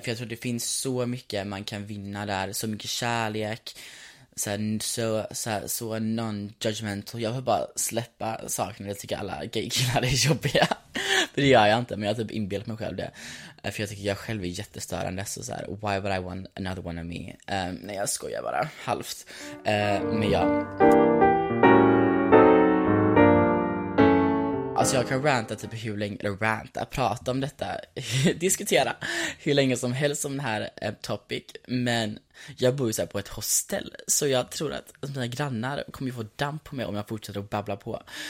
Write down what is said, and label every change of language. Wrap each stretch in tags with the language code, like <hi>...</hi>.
<sv>För jag tror det finns så mycket man kan vinna där, så mycket kärlek. Så non-judgmental. Jag vill bara släppa saker när jag tycker alla gaykillar är jobbiga. För det gör jag inte, men jag har typ inbillat mig själv det. För jag tycker jag själv är jättestörande.</sv> <en>Så såhär, why would I want another one of me?</en> <sv>Nej, jag skojar bara halvt. Men ja, alltså jag kan ranta typ hur länge, eller ranta, prata om detta, diskutera hur länge som helst om den här topic. Men jag bor ju såhär på ett hostel, så jag tror att mina grannar kommer ju få damp på mig om jag fortsätter att babbla på.</sv>